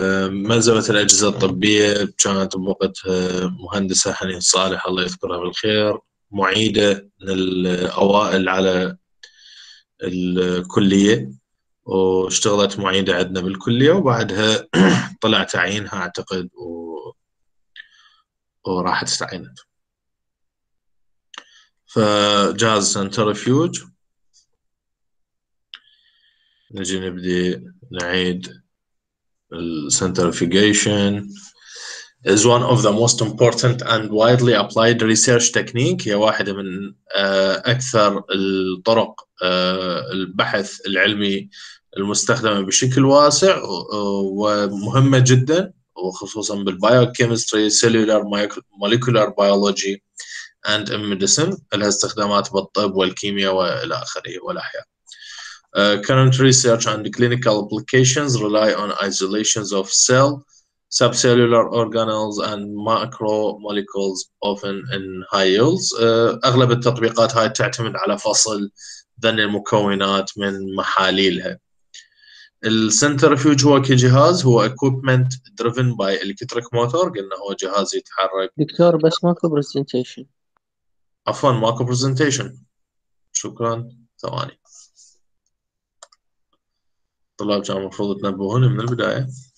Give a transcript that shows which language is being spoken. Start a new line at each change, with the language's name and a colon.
Arabic: ملزمة الأجهزة الطبية كانت بوقت مهندسة حنين صالح الله يذكرها بالخير، معيدة من الأوائل على الكلية، واشتغلت معيدة عندنا بالكلية، وبعدها طلع تعيينها أعتقد وراحت استعينت. فجهاز سنترفيوج، نجي نبدي نعيد السنترفيجيشن.
English: is one of the most important and widely applied research technique.
Arabic: هي واحدة من أكثر الطرق البحث العلمي المستخدمة بشكل واسع ومهمة جدا، وخصوصا بالبايوكيمستري، سيلولار، مولكولار بيولوجي
English: and in medicine.
Arabic: لها استخدامات بالطب والكيمياء والى اخره والاحياء.
English: Current research and clinical applications rely on isolations of cell, subcellular organelles and macromolecules often in high yields.
Arabic: اغلب التطبيقات هاي تعتمد على فصل ذني المكونات من محاليلها. السنترفيوج هو كجهاز، هو
English: equipment driven by electric motor،
Arabic: قلنا هو جهاز يتحرك. دكتور بس ماكو برزنتيشن. عفوا ماكو برزنتيشن، شكرا. ثواني الطلاب كان المفروض تنبهون من البداية.